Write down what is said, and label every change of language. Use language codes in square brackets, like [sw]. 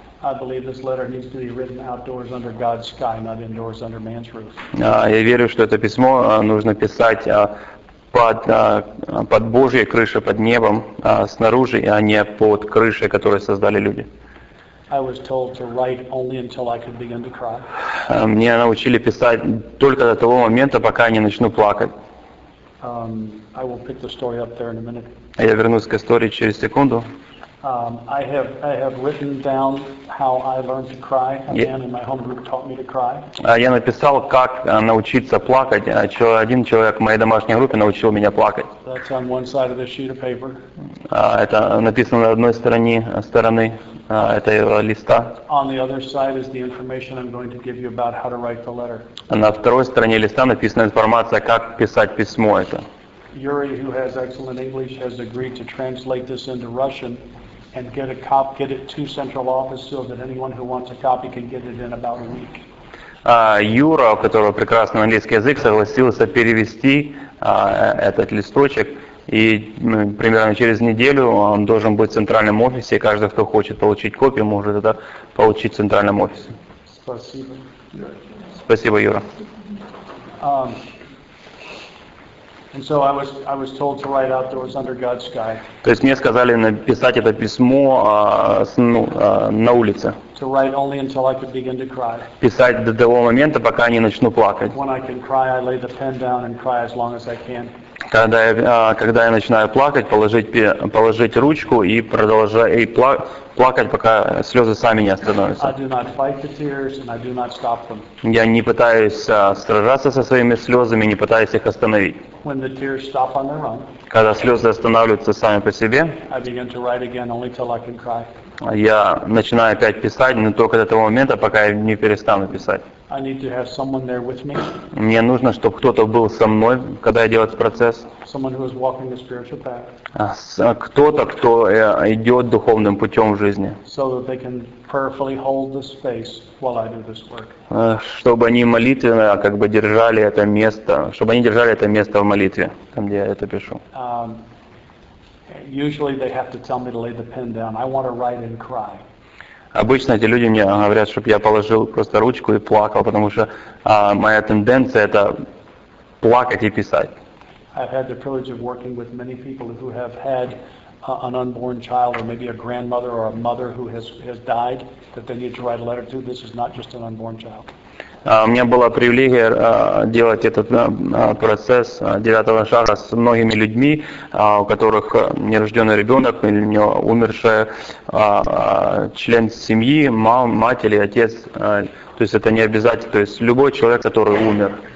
[en] I believe this letter needs to be written outdoors under God's sky, not indoors under man's roof. [ru] Я верю, что это письмо нужно писать под Божьей крышей, под небом, снаружи, а не под крышей, которую создали люди. [en] I was told to write only until I could begin to cry. [ru] Мне научили писать только до того момента, пока я не начну плакать. [en] I will pick the story up there in a minute. [ru] Я вернусь к истории через секунду. [en] I have written down how I learned to cry. A man in my home group taught me to cry. [ru] Я написал, как научиться плакать. Один человек в моей домашней группе научил меня плакать. [en] That's on one side of this sheet of paper. [ru] Это написано на одной стороне этого листа. [en] On the other side is the information I'm going to give you about how to write the letter. [ru] На второй стороне листа написана информация, как писать письмо это. [en] Yuri, who has excellent English, has agreed to translate this into Russian and get it to central office so that anyone who wants a copy can get it in about a week. [ru] Юра, у которого прекрасный английский язык, согласился перевести этот листочек, и примерно через неделю он должен быть в центральном офисе, и каждый, кто хочет получить копию, может это получить в центральном офисе. Спасибо. Спасибо, Юра. [en] And so I was told to write outdoors under God's sky. [ru] То есть мне сказали написать это письмо на улице. [en] To write only until I could begin to cry. [ru] Писать до того момента, пока не начну плакать. [en] When I can cry, I lay the pen down and cry as long as I can. [ru] Когда я начинаю плакать, положить ручку и продолжать плакать, пока слезы сами не остановятся. [en] I do not fight the tears and I do not stop them. [ru] Я не пытаюсь сражаться со своими слезами, не пытаюсь их остановить. [en] When the tears stop on their own, [ru] когда слезы останавливаются сами по себе, [en] I begin to write again only till I can cry. [ru] Я начинаю опять писать, но только до того момента, пока я не перестану писать. [en] I need to have someone there with me. [ru] Мне нужно, чтобы кто-то был со мной, когда я делаю этот процесс. [en] Someone who is walking the spiritual path. [ru] Кто-то, кто идет духовным путем в жизни. [en] So that they can prayerfully hold the space while I do this work. [ru] Чтобы они молитвенно как бы держали это место, чтобы они держали это место в молитве, там, где я это пишу. [en] Usually they have to tell me to lay the pen down. I want to write and cry. [ru] Обычно эти люди мне говорят, чтобы я положил просто ручку и плакал, потому что моя тенденция — это плакать и писать. [en] I've had the privilege of working with many people who have had an unborn child, or maybe a grandmother or a mother who has died that they need to write a letter to. This is not just an unborn child. [ru] У меня была привилегия делать этот процесс девятого шага с многими людьми, у которых нерожденный ребенок или у него умершая член семьи, мать или отец. То есть это не обязательно. То есть любой человек, который умер.